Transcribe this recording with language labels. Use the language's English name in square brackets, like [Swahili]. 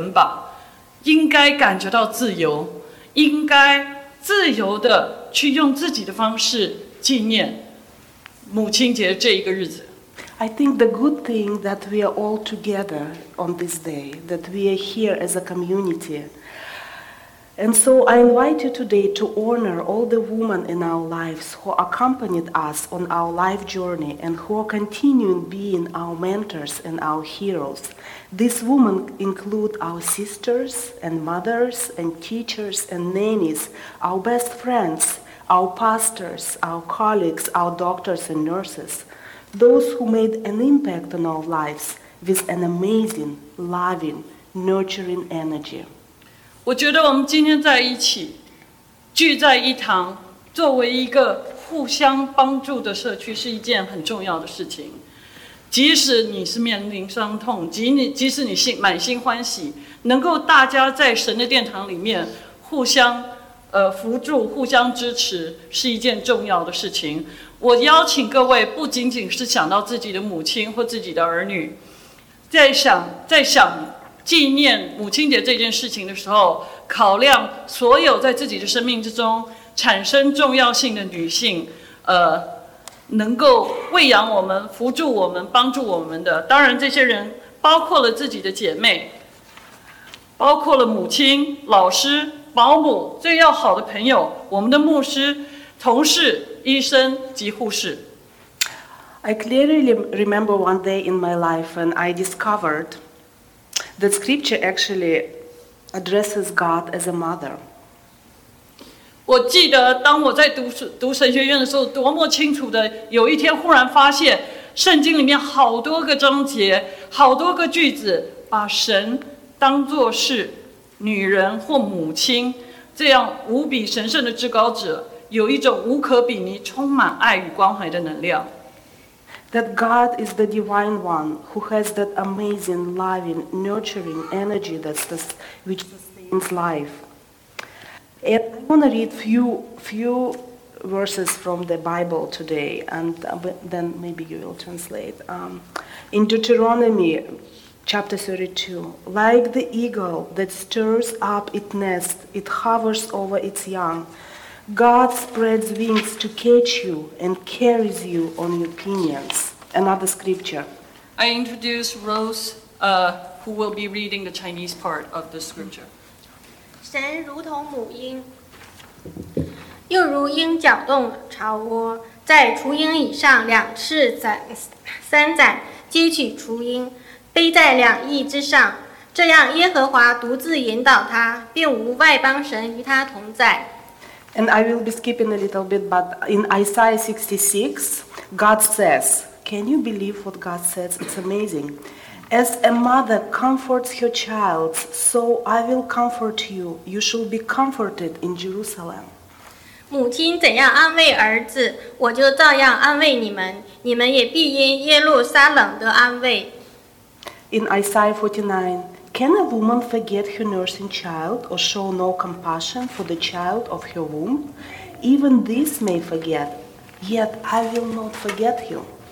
[Chinese] 当然，这个社会上，美国的这个社会上，对于这个节日有相当应该如何庆祝的标准，但是我们不应该受到这样期待的捆绑，应该感觉到自由，应该自由的去用自己的方式纪念。母亲节这一个日子。 [English] I think the good thing that we are all together on this day, that we are here as a community. And so I invite you today to honor all the women in our lives who accompanied us on our life journey and who are continuing being our mentors and our heroes. These women include our sisters and mothers and teachers and nannies, our best friends, our pastors, our colleagues, our doctors and nurses, those who made an impact on our lives with an amazing, loving, nurturing energy. [Chinese] 我觉得我们今天在一起，聚在一堂，作为一个互相帮助的社区，是一件很重要的事情。即使你是面临伤痛，即使你心满心欢喜，能够大家在神的殿堂里面互相扶助、互相支持，是一件重要的事情。我邀请各位，不仅仅是想到自己的母亲或自己的儿女，在想。纪念母亲节这件事情的时候，考量所有在自己的生命之中产生重要性的女性，能够喂养我们、扶助我们、帮助我们的，当然这些人包括了自己的姐妹，包括了母亲、老师、保姆、最要好的朋友、我们的牧师、同事、医生及护士。 [English] I clearly remember one day in my life when I discovered. The scripture actually addresses God as a mother. [Chinese] 我记得当我在读神学院的时候，多么清楚的，有一天忽然发现，圣经里面好多个章节，好多个句子，把神当作是女人或母亲，这样无比神圣的至高者，有一种无可比拟、充满爱与关怀的能量。 [English] That God is the divine one who has that amazing, loving, nurturing energy which sustains life. And I want to read few verses from the Bible today, and then maybe you will translate. In Deuteronomy chapter 32, like the eagle that stirs up its nest, it hovers over its young. God spreads wings to catch you and carries you on your pinions. Another scripture. I introduce Rose, who will be reading the Chinese part of the scripture. [Chinese] 神如同母鹰，又如鹰搅动巢窝，在雏鹰以上两翅三展，激起雏鹰，背在两翼之上。这样耶和华独自引导他，并无外邦神与他同在。 [English] And I will be skipping a little bit, but in Isaiah 66, God says,Can you believe what God says? It's amazing. As a mother comforts her child, so I will comfort you. You shall be comforted in Jerusalem. [Chinese] 母亲怎样安慰儿子，我就照样安慰你们。你们也必因耶路撒冷得安慰。 [English] In Isaiah 49, can a woman forget her nursing child or show no compassion for the child of her womb? Even this may forget, yet I will not forget you.